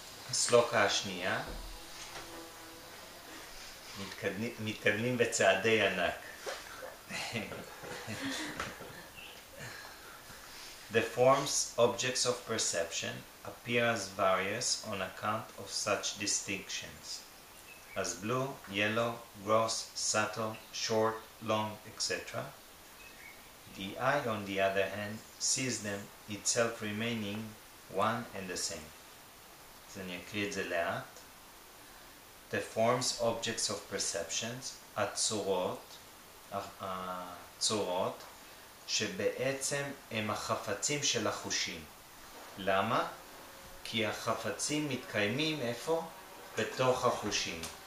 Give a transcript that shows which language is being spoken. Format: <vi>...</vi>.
<he>הסטרוקה השנייה, מתקדמים בצעדי ענק.</he> <en>The forms, objects of perception, appear as various on account of such distinctions, as blue, yellow, gross, subtle, short, long, etc. The eye, on the other hand, sees them itself remaining one and the same.</en> <he>אז אני אקריא את זה לאט.</he> <en>The forms, objects of perceptions,</en> <he>הצורות, שבעצם הם החפצים של החושים. למה? כי החפצים מתקיימים איפה? בתוך החושים.</he>